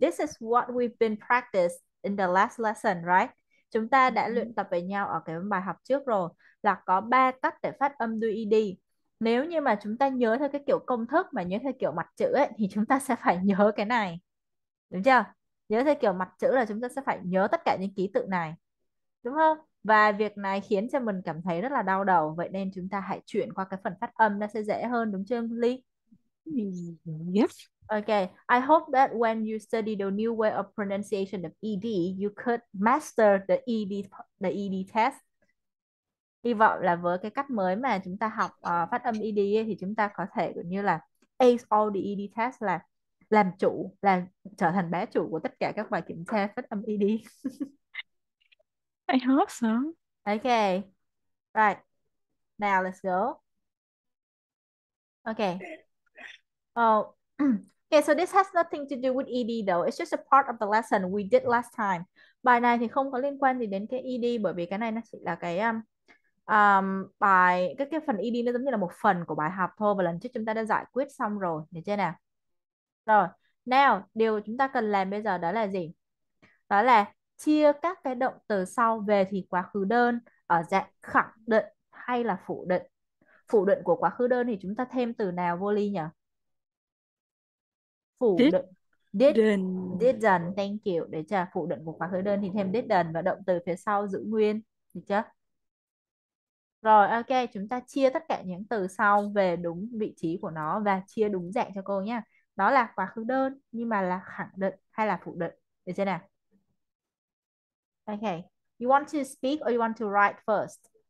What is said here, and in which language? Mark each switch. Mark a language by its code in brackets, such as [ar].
[en] This is what we've been practiced in the last lesson, right? [vi] Chúng ta đã luyện tập với nhau ở cái bài học trước rồi. Là có 3 cách để phát âm đuôi ED. Nếu như mà chúng ta nhớ theo cái kiểu công thức mà nhớ theo kiểu mặt chữ ấy, thì chúng ta sẽ phải nhớ cái này. Đúng chưa? Nhớ theo kiểu mặt chữ là chúng ta sẽ phải nhớ tất cả những ký tự này. Đúng không? Và việc này khiến cho mình cảm thấy rất là đau đầu. Vậy nên chúng ta hãy chuyển qua cái phần phát âm, nó sẽ dễ hơn, đúng chưa Ly? [en] Yes. Okay. I hope that when you study the new way of pronunciation of ED, you could master the ED test. [vi] Hy vọng là với cái cách mới mà chúng ta học phát âm ED ấy, thì chúng ta có thể cũng như là [en] ace all the ED test, [vi] là làm chủ, là trở thành bá chủ của tất cả các bài kiểm tra phát âm ED. [en] I hope so. Okay. Right. Now let's go. Okay. Oh. Okay, so this has nothing to do with ED though. It's just a part of the lesson we did last time. [vi] Bài này thì không có liên quan gì đến cái ED, bởi vì cái này nó chỉ là cái bài cái phần ED nó giống như là một phần của bài học thôi, và lần trước chúng ta đã giải quyết xong rồi, được chưa nào? Rồi. [en] Now, [vi] điều chúng ta cần làm bây giờ đó là gì? Đó là chia các cái động từ sau về thì quá khứ đơn ở dạng khẳng định hay là phủ định. Phủ định của quá khứ đơn thì chúng ta thêm từ nào vô ly nhỉ? Phủ [en] did, [vi] định. [en] Didn't. Thank you. [vi] Để chờ, phủ định của quá khứ đơn thì thêm didn't và động từ phía sau giữ nguyên. Được chưa? Rồi, ok. Chúng ta chia tất cả những từ sau về đúng vị trí của nó và chia đúng dạng cho cô nhé. Đó là quá khứ đơn nhưng mà là khẳng định hay là phủ định. Được chưa nào? [en] Okay, you want to speak or you want to write first?